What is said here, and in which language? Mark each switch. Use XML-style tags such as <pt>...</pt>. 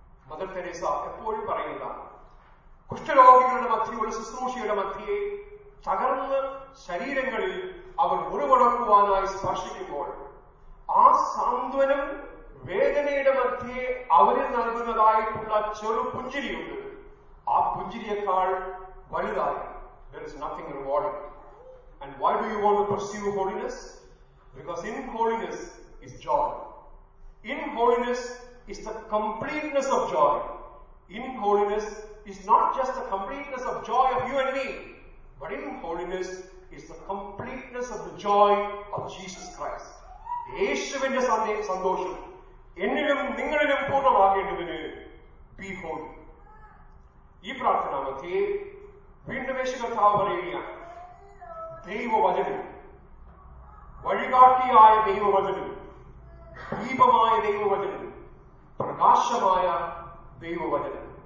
<ml>Mother Teresa എപ്പോഴും പറയുന്ന കുഷ്ഠരോഗികളുടെ മധ്യയുള്ള ശുശ്രൂഷയുടെ മധ്യയെ തകർന്ന ശരീരങ്ങളിൽ അവർ മുറിവടക്കുവാനായി സ്പർശിക്കുമ്പോൾ ആ സാന്ത്വനം വേദനയുടെ മധ്യയെ അവരിൽ നൽകുന്നതായിട്ടുള്ള ചെറു പുഞ്ചിരിയുണ്ട്. ആ പുഞ്ചിരിയേക്കാൾ വലുതായി the</ml> <en>there is nothing rewarded. And why do you want to pursue holiness? Because in holiness is joy. In holiness is the completeness of joy. In holiness is not just the completeness of joy of you and me, but in holiness is the completeness of the joy of Jesus Christ.</en> <ml>യേശുവിന്റെ സന്തോഷം എന്നിലും നിങ്ങളിലും പൂർണ്ണമാകേണ്ടതിന്</ml> <en>Be holy.</en> <ml>ഈ പ്രാർത്ഥനാ മധ്യേ വീണ്ടും യേശു കർത്താവ് പറയുകയാണ്, ദൈവവചനം, വഴികാട്ടിയായ ദൈവവചനം, ദീപമായ ദൈവവചനം, പ്രകാശമായ ദൈവവചനം.</ml>